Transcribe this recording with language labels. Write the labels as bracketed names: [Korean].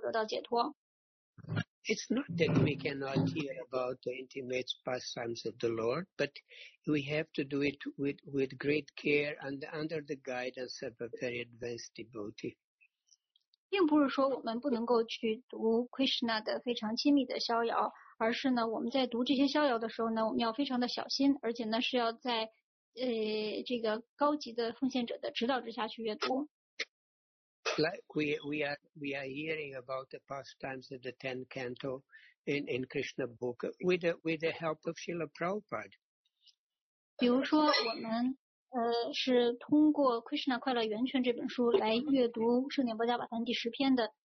[Chinese] 如果你的态度是恰当的话呢，您可能很快就能够得到解脱。It's [English] not that we cannot hear about the intimate pastimes of the Lord, but we have to do it with great care and under the guidance of a very advanced devotee. [Chinese] 并不是说我们不能够去读 Krishna 的非常亲密的逍遥。而是呢，我们在读这些逍遥的时候呢，我们要非常的小心，而且呢是要在这个高级的奉献者的指导之下去阅读。Like [English] we are hearing about the pastimes of the 10th canto in Krishna book with the help of Srila Prabhupada. [Chinese] 比如说我们是通过 Krishna 快乐源泉这本书来阅读圣典波迦瓦坛第十篇的。